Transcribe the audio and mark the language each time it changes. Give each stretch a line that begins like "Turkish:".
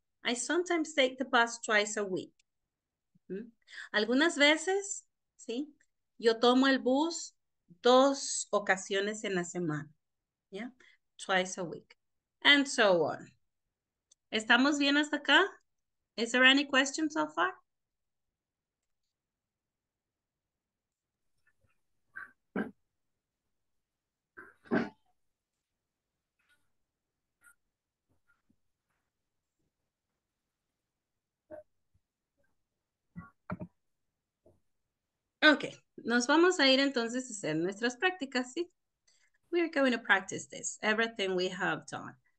English: I sometimes take the bus twice a week.
Spanish: Algunas veces, ¿sí? Yo tomo el bus dos ocasiones en la semana.
English: Yeah, twice a week. And so on.
Spanish: ¿Estamos bien hasta acá?
English: Is there any question so far? Okay.
Spanish: Nos vamos a ir entonces a hacer nuestras prácticas, ¿sí?
English: We are going to practice this, everything we have done.